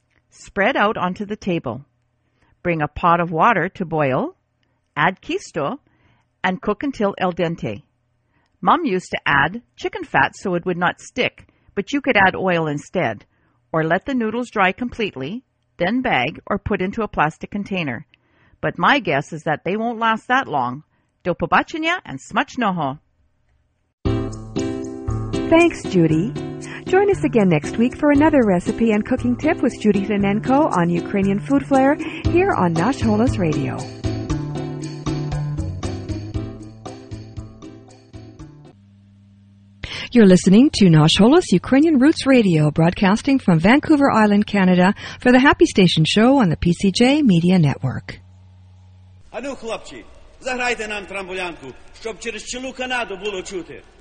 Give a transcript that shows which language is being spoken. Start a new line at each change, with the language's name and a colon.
English: Spread out onto the table. Bring a pot of water to boil, add quisto, and cook until al dente. Mom used to add chicken fat so it would not stick, but you could add oil instead. Or let the noodles dry completely, then bag or put into a plastic container. But my guess is that they won't last that long.
Ukrainian: До побачення
English: and
Ukrainian: смач ногу.
English: Thanks, Judy. Join us again next week for another recipe and cooking tip with Judy Denenko on Ukrainian Food Flair here on Nash Holos Radio. You're listening to Nash Holos Ukrainian Roots Radio, broadcasting from Vancouver Island, Canada, for the Happy Station Show on the PCJ Media Network.
Ukrainian: Ану, хлопці, заграйте нам трамбулянку, щоб через цілу Канаду було чути.